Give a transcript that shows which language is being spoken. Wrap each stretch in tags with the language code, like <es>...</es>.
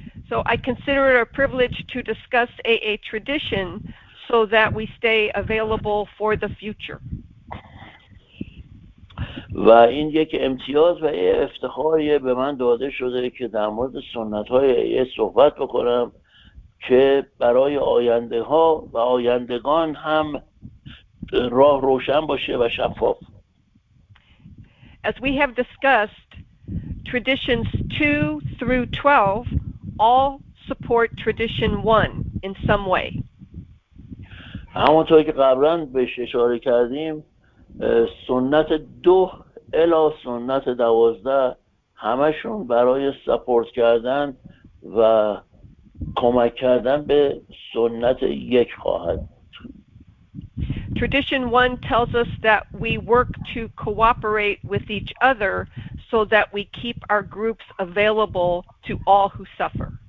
<en>So I consider it a privilege to discuss AA tradition so that we stay available for the future.</en> <fa>و این یک امتیاز و افتخاری به من داده شده که در مورد سنت‌های AA صحبت بکنم، که برای آینده ها و آیندگان هم راه روشن باشه و شفاف.</fa> <en>As we have discussed, traditions 2 through 12 all support tradition 1 in some way.</en> <fa>همونطور که قبلا بهش اشاره کردیم، سنت 2 الی سنت 12 همشون برای سپورت کردن و کمک کردن به سنت یک خواهد.</fa> <en>Tradition 1 tells us that we work to cooperate with each other so that we keep our groups available to all who suffer.</en>